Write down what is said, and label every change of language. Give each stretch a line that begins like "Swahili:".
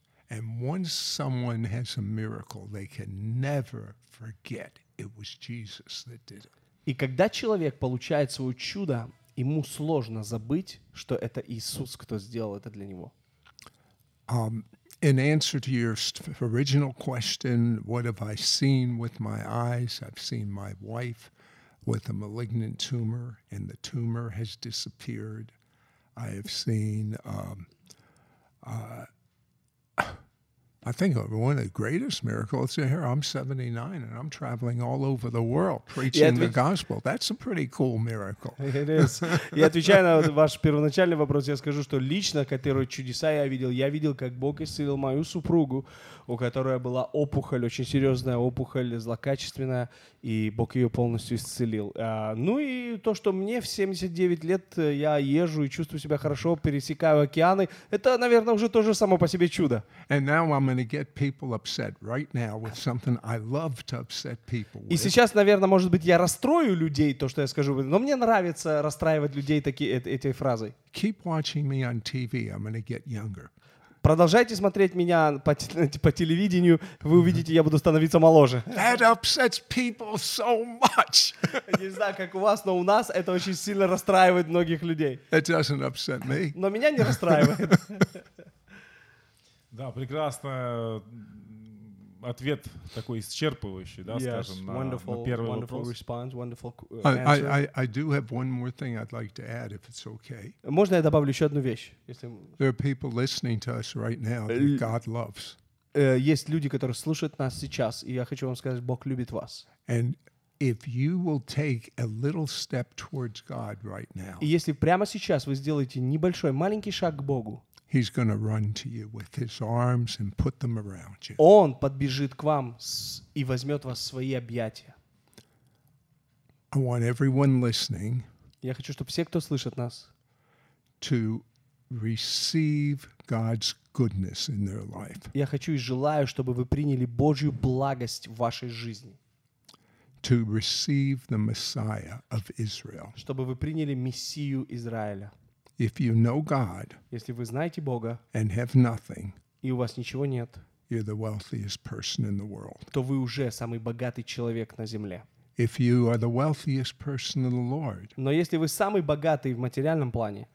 English: And once someone has a miracle, they can never forget it was Jesus that did it.
Russian: И когда человек получает свое чудо, ему сложно забыть, что это Иисус, кто сделал это для него.
English: In answer to your original question, what have I seen with my eyes? I've seen my wife with a malignant tumor, and the tumor has disappeared. I have seen, I think one of the greatest miracles here, I'm 79, and I'm traveling all over the world preaching the gospel. That's a pretty cool miracle. It is.
Russian: Я отвечаю на ваш первоначальный вопрос. Я скажу, что лично, которые чудеса я видел, как Бог исцелил мою супругу, у которой была опухоль, очень серьезная опухоль, злокачественная, и Бог ее полностью исцелил. Ну и то, что мне в 79 лет я езжу и чувствую себя хорошо, пересекаю океаны, это, наверное, уже тоже само по себе чудо.
English: And now I'm going to get people upset right now with something I love to upset people with.
Russian: И сейчас, наверное, может быть, я расстрою людей, то, что я скажу, но мне нравится расстраивать людей этой фразой.
English: Keep watching me on TV, I'm going to get younger.
Russian: Продолжайте смотреть меня по телевидению, вы увидите, я буду становиться моложе.
English: That upsets people so much.
Russian: Не знаю, как у вас, но у нас это очень сильно расстраивает многих людей.
English: It doesn't upset me.
Russian: Но меня не расстраивает. Да, прекрасный ответ, такой исчерпывающий, да,
English: yes,
Russian: скажем,
English: wonderful,
Russian: на первый
English: wonderful
Russian: вопрос.
English: Response, wonderful answer. I do have one more thing I'd like to add, if it's okay.
Russian: Можно я добавлю еще одну вещь?
English: There are people listening to us right now that God loves.
Russian: Есть люди, которые слушают нас сейчас, и я хочу вам сказать, Бог любит вас.
English: And if you will take a little step towards God right now.
Russian: И если прямо сейчас вы сделаете небольшой, маленький шаг к Богу,
English: He's going to run to you with his arms and put them around you.
Russian: Он подбежит к вам и возьмет вас в свои объятия.
English: I want everyone listening.
Russian: Я хочу, чтобы все, кто слышит нас,
English: to receive God's goodness in their life.
Russian: Я хочу и желаю, чтобы вы приняли Божью благость в вашей жизни.
English: To receive the Messiah of Israel.
Russian: Чтобы вы приняли Мессию Израиля.
English: If you know God,
Russian: если вы знаете Бога,
English: and have nothing,
Russian: и у вас ничего нет,
English: you're the wealthiest person in the world.
Russian: То вы уже самый богатый человек на земле.
English: If you are the wealthiest person in the Lord,
Russian: но если вы самый богатый в материальном плане,